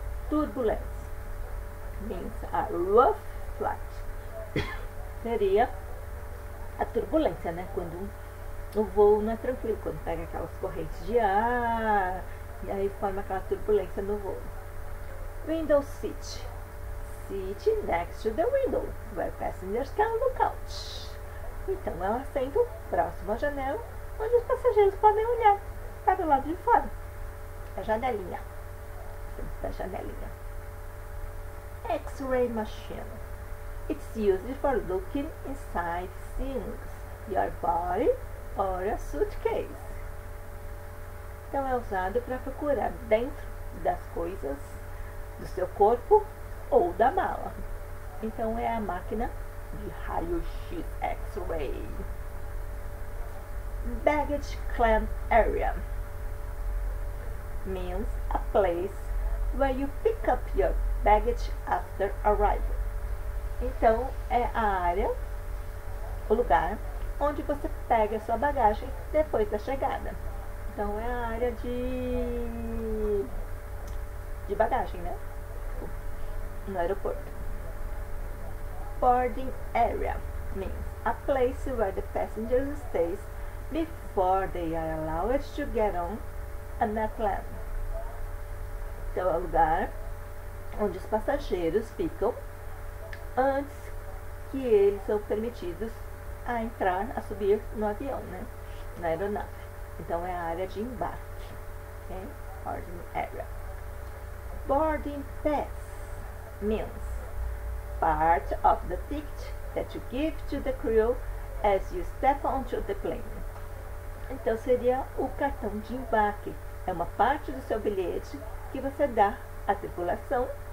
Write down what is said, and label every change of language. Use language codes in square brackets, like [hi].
[en] Turbulence means a rough flight. [pt] Seria a turbulência, né? Quando o voo não é tranquilo, quando pega aquelas correntes de ar e aí forma aquela turbulência no voo. [en] Window seat. Seat next to the window, where passengers can look out. [pt] Então é um assento próximo à janela, onde os passageiros podem olhar para o lado de fora. A janelinha. A janelinha. [en] X-ray machine. It's used for looking inside things. Your body or a suitcase. [pt] Então é usado para procurar dentro das coisas do seu corpo ou da mala. Então é a máquina de raio-x X-ray. [en] Baggage claim area means a place where you pick up your baggage after arrival. [pt] Então, é a área, o lugar, onde você pega sua bagagem depois da chegada. Então, é a área de bagagem, né? No aeroporto. [en] Boarding area means a place where the passenger stays before they are allowed to get on an airplane. [pt] Então, é o lugar onde os passageiros ficam antes que eles são permitidos a entrar, a subir no avião, né? Na aeronave. Então, é a área de embarque. Okay? [en] Boarding area. Boarding pass means part of the ticket that you give to the crew as you step onto the plane. [pt] Então, seria o cartão de embarque. É uma parte do seu bilhete que você dá à tripulação